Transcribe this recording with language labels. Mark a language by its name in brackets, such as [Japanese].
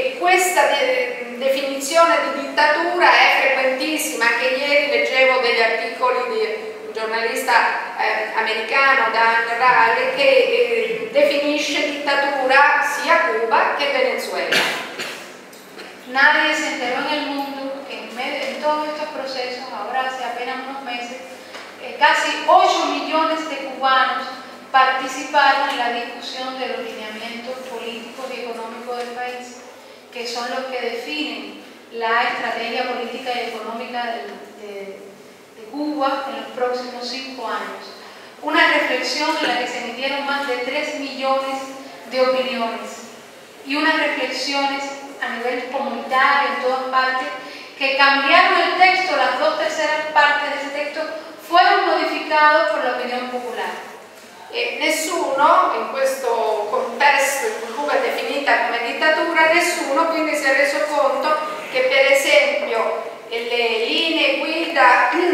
[Spanish] Esta definición de dictadura es frecuentísima. [Italian] Que ieri leggevo degli articoli di un giornalista americano, Dan Rather, che definisce dittatura sia Cuba che Venezuela. [Spanish] Nadie se enteró en el mundo que en todos estos procesos, ahora hace apenas unos meses, casi 8 millones de cubanos participaron en la discusión de los lineamientos políticos y económicos del país, que son los que definen la estrategia política y económica de Cuba en los próximos 5 años. una reflexión en la que se emitieron más de 3 millones de opiniones y unas reflexiones a nivel comunitario en todas partes que cambiaron el texto, las dos terceras partes de ese texto fueron modificadas por la opinión popular. [Italian] Nessuno in questo contesto in cui Cuba è definita come dittatura, nessuno quindi si è reso conto che per esempio le linee guida